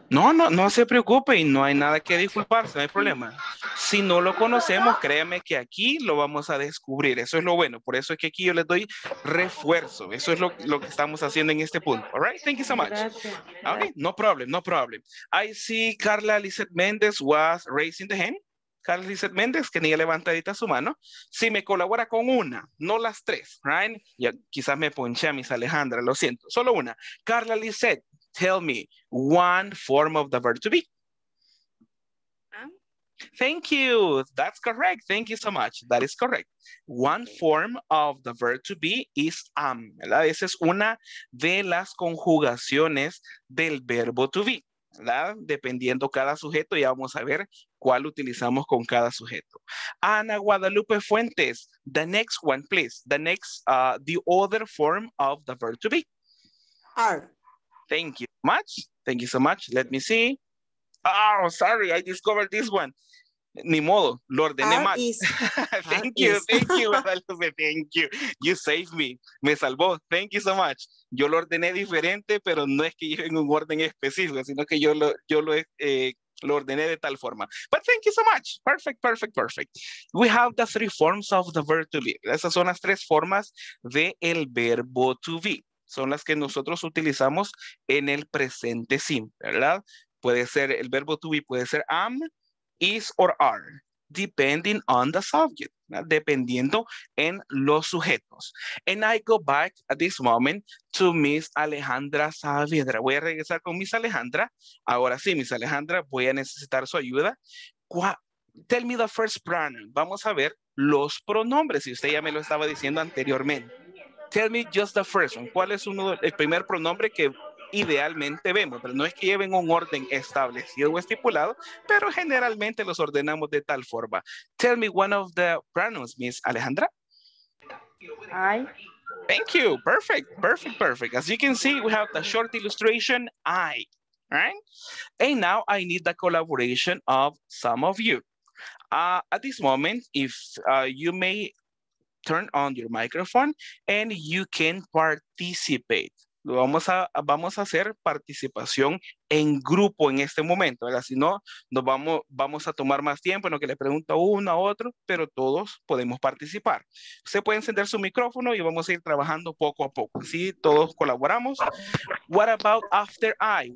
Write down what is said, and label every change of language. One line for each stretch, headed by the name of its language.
Spanish: No, no se preocupe y no hay nada que disculparse, no hay problema. Si no lo conocemos, créame que aquí lo vamos a descubrir. Eso es lo bueno. Por eso es que aquí yo les doy refuerzo. Eso es lo que estamos haciendo en este punto.
English: All right. Thank you so much.
Spanish: Gracias.
English: Okay. No problem. No problem. I see Carla Lizeth Mendez was raising the hand.
Spanish: Carlos Lizeth Méndez, que ni levantadita su mano. Si me colabora con una, no las tres, right? Ya, quizás me ponché a Miss Alejandra, lo siento. Solo una. Carla Lizeth,
English: tell me one form of the verb to be. Thank you. That's correct. Thank you so much. That is correct. One form of the verb to be is am, ¿verdad?
Spanish: Esa es una de las conjugaciones del verbo to be. ¿Verdad? Dependiendo cada sujeto, ya vamos a ver cuál utilizamos con cada sujeto.
English: Ana Guadalupe Fuentes, the next one, please. The next, the other form of the verb to be. Are. Thank you so much. Thank you so much. Let me see. Oh, sorry, I discovered this one.
Spanish: Ni modo, lo ordené mal.
English: Thank you, thank you, Guadalupe, thank you. You saved me,
Spanish: me salvó.
English: Thank you so much.
Spanish: Yo lo ordené diferente, pero no es que lleve en un orden específico, sino que yo lo ordené de tal forma.
English: But thank you so much. Perfect, perfect, perfect. We have the three forms of the verb to be.
Spanish: Esas son las tres formas del verbo to be. Son las que nosotros utilizamos en el presente simple, ¿verdad? Puede ser el verbo to be, puede ser am, is or are,
English: depending on the subject,
Spanish: ¿no? Dependiendo en los sujetos.
English: And I go back at this moment to Miss Alejandra Saavedra.
Spanish: Voy a regresar con Miss Alejandra. Ahora sí, Miss Alejandra, voy a necesitar su ayuda.
English: Tell me the first pronoun.
Spanish: Vamos a ver los pronombres. Y usted ya me lo estaba diciendo anteriormente.
English: Tell me just the first one.
Spanish: ¿Cuál es el primer pronombre que idealmente vemos, pero no es que lleven un orden establecido o estipulado, pero generalmente los ordenamos de tal forma?
English: Tell me one of the pronouns, Miss Alejandra. I. Thank you. Perfect, perfect, perfect. As you can see, we have the short illustration, I. right? And now I need the collaboration of some of you. At this moment, if you may turn on your microphone and you can participate.
Spanish: Vamos a hacer participación en grupo en este momento, ¿verdad? Si no, vamos a tomar más tiempo en lo que le pregunto uno a otro, pero todos podemos participar. Usted puede encender su micrófono y vamos a ir trabajando poco a poco. Sí, todos colaboramos.
English: What about after I?